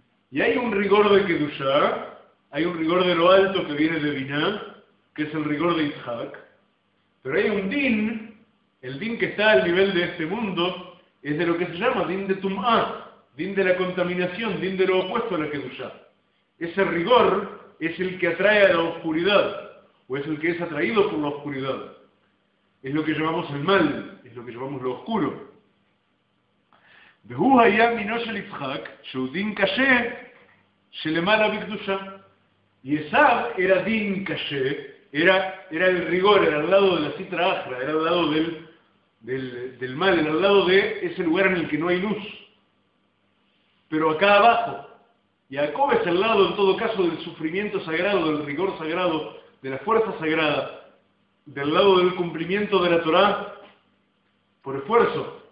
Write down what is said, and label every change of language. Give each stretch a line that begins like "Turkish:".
Spanish: Y hay un rigor de Kedushá, hay un rigor de lo alto que viene de Binah, que es el rigor de Yitzhak, pero hay un din, el din que está al nivel de este mundo, es de lo que se llama din de Tum'a, din de la contaminación, din de lo opuesto a la Kedushá. Ese rigor es el que atrae a la oscuridad, o es el que es atraído por la oscuridad. Es lo que llamamos el mal, es lo que llamamos lo oscuro.
Hebrew: והוא היה מינו של יצחק, שהוא דין קשה שלמעלה בקדושה.
Spanish: יסב era
Hebrew: דין קשה,
Spanish: era el rigor, era al lado de la citra ajra, era al lado del mal, era al lado de ese lugar en el que no hay luz. Pero acá abajo, Jacob es al lado, en todo caso, del sufrimiento sagrado, del rigor sagrado, de la fuerza sagrada, del lado del cumplimiento de la Torah por esfuerzo.